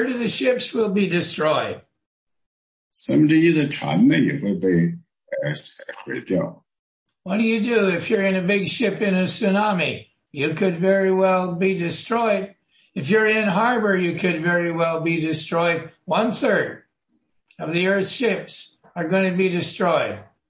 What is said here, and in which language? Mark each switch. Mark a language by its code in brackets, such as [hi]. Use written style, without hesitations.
[en] a third of the ships will be destroyed. [zh] 三分之一的船呢也会被毁掉。 [en] What do you do if you're in a big ship in a tsunami? You could very well be destroyed. If you're in harbor, you could very well be destroyed. One third of the earth's ships are going to be destroyed.